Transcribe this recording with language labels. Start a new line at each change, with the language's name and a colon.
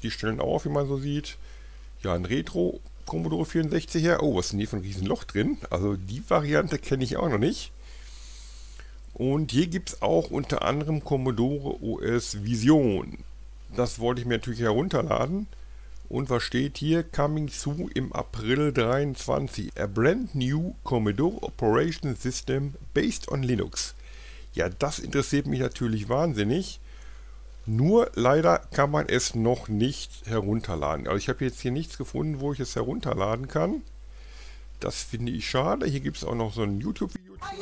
German: Die stellen auch auf, wie man so sieht. Ja, ein Retro Commodore 64 her. Oh, was ist denn hier für ein Riesenloch drin? Also die Variante kenne ich auch noch nicht. Und hier gibt es auch unter anderem Commodore OS Vision. Das wollte ich mir natürlich herunterladen. Und was steht hier?
English: Coming soon
German: im April 23.
English: A brand new Commodore Operation System based on Linux.
German: Ja, das interessiert mich natürlich wahnsinnig. Nur leider kann man es noch nicht herunterladen. Also ich habe jetzt hier nichts gefunden, wo ich es herunterladen kann. Das finde ich schade. Hier gibt es auch noch so ein YouTube-Video.